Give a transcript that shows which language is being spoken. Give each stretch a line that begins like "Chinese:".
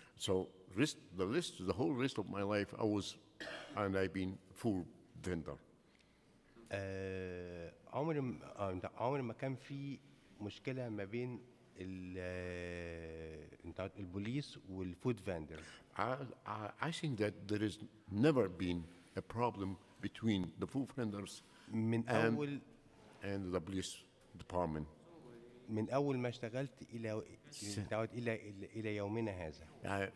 English: So rest the list the whole rest of my life I was and I've been food vendor.
Arabic: عمري ما كان في مشكلة ما بين البوليس والفود فندر.
English: I think that there has never been a problem between the food vendors
Arabic: من أول
English: and the police department.
Arabic: من أول ما اشتغلت إلى تعود إلى إلى يومنا هذا.